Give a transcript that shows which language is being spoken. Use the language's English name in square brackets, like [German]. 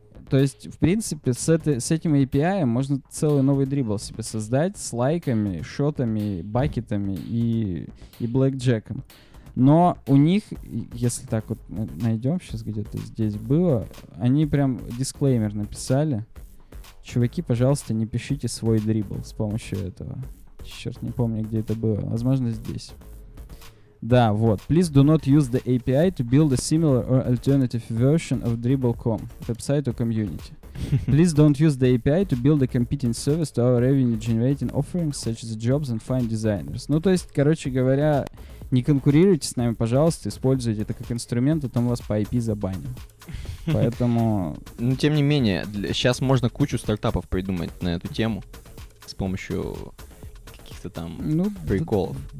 [Russian] То есть, в принципе, с этим API можно целый новый дрибл себе создать с лайками, шотами, байкетами и блэкджеком. Но у них, если так вот найдем, сейчас где-то здесь было, они прям дисклеймер написали. Чуваки, пожалуйста, не пишите свой дрибл с помощью этого. Черт, не помню, где это было. Возможно, здесь. Да, вот. [English] Please do not use the API to build a similar or alternative version of dribble.com, website or community. Please don't use the API to build a competing service to our revenue-generating offerings, such as jobs and fine designers. [Russian] Ну, то есть, короче говоря, не конкурируйте с нами, пожалуйста, используйте это как инструмент, а там вас по IP забаним. Поэтому... Ну, тем не менее, сейчас можно кучу стартапов придумать на эту тему с помощью каких-то там приколов.